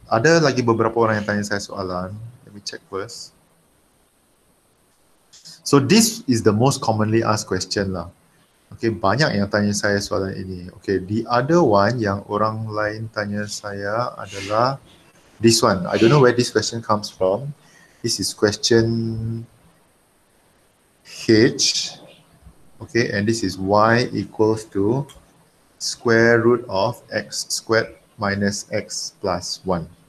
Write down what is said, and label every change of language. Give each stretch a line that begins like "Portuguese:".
Malay: Ada lagi beberapa orang yang tanya saya soalan.
English: Let me check first. So this is the most commonly asked question lah.
Malay: Okay, banyak yang tanya saya soalan ini.
English: Okay, the other one
Malay: yang orang lain tanya saya adalah
English: this one. I don't know where this question comes from. This is question H. Okay, and this is y equals to square root of x squared minus x plus 1.